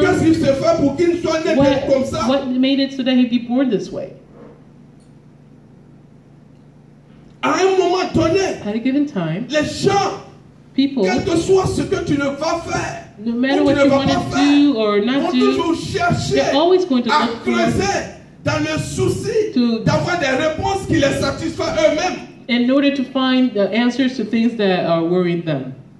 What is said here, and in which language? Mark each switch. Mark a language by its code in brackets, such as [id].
[fr] Qu'est-ce qu'il se fait pour qu'il soit né comme ça? [en] What made it so that he'd be born this way? [fr] À un moment donné, [en] at a given time, [fr] les gens [en] people, [fr] quel que soit ce que tu ne vas faire, [en] no matter what you want to do or not do, they're always going to look for you to, [fr] des réponses qui les satisfont eux-mêmes, [en] in order to find the answers to things that are worrying them.